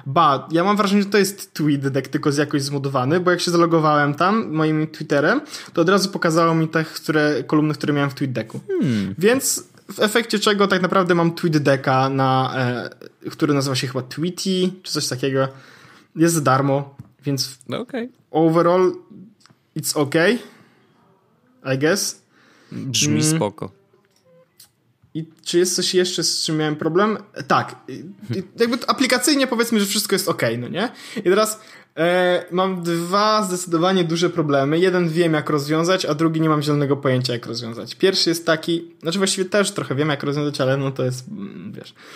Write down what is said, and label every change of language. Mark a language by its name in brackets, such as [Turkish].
[Polish] Ba, ja mam wrażenie, że to jest TweetDeck, tylko z jakoś zmodowany, bo jak się zalogowałem tam moim Twitterem, to od razu pokazało mi te kolumny, które miałem w TweetDecku. Więc w efekcie czego tak naprawdę mam TweetDecka, który nazywa się chyba Tweety, czy coś takiego. Jest za darmo. Więc [English] okay. Overall it's okay, I guess. [Polish] Brzmi spoko. I czy jest coś jeszcze, z czym miałem problem? Tak. Jakby aplikacyjnie powiedzmy, że wszystko jest okej, okay, no nie? I teraz mam dwa zdecydowanie duże problemy. Jeden wiem, jak rozwiązać, a drugi nie mam zielonego pojęcia, jak rozwiązać. Pierwszy jest taki, znaczy właściwie też trochę wiem, jak rozwiązać, ale no to jest, wiesz.